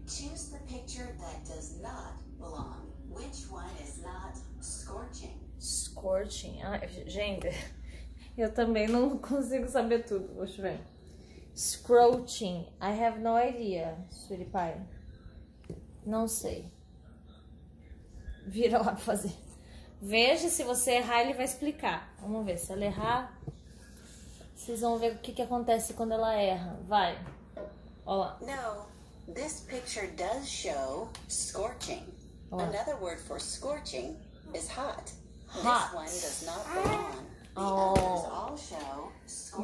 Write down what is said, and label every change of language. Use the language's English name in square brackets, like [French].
[English] Choose the picture that does not belong. Which one is not scorching? Scorching. [Portuguese] Ah, gente, eu também não consigo saber tudo. Deixa eu ver. Scrooching. [English] I have no idea, sweetie pie. [Portuguese] Não sei. Vira lá pra fazer. Veja, se você errar, ele vai explicar. Vamos ver. Se ela errar, vocês vão ver o que acontece quando ela erra. Vai. Olha lá. [English] No, this picture does show scorching. Olá. Another word for scorching is hot. Hot. This one does not belong. The others all show scorching.